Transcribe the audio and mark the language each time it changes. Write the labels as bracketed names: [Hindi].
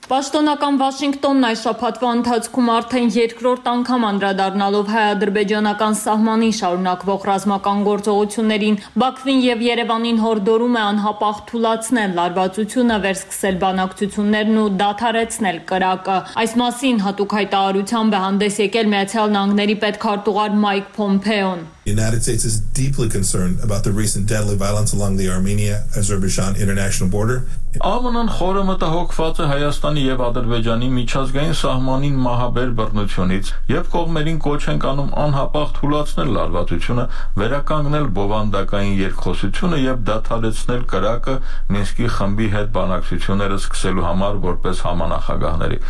[Armenian] Պաշտոնական Վաշինգտոնն այս շաբաթվա ընթացքում արդեն երկրորդ անգամ անդրադառնալով հայ-ադրբեջանական սահմանին շարունակվող ռազմական գործողություններին, Բաքվին և Երևանին հորդորում է անհապաղ թուլացնել լարվածությունը, վերսկսել բանակցություններն ու դադարեցնել կրակը։ Այս մասին հատուկ հայտարարությամբ է հանդես եկել Միացյալ Նահանգների պետքարտուղար Մայք Փոմպեոն։ [English] The United States is deeply concerned about the recent deadly violence along the Armenia-Azerbaijan international border. [Armenian] Ամնան խորը մտահոգված է Հայաստանի եւ Ադրբեջանի միջազգային սահմանին մահաբեր բռնությունից եւ կողմերին կոչ են անում անհապաղ թուլացնել լարվածությունը, վերականգնել բովանդակային երկխոսությունը եւ դադարեցնել կրակը Մինսկի խմբի հետ բանակցությունները սկսելու համար որպես համանախագահների։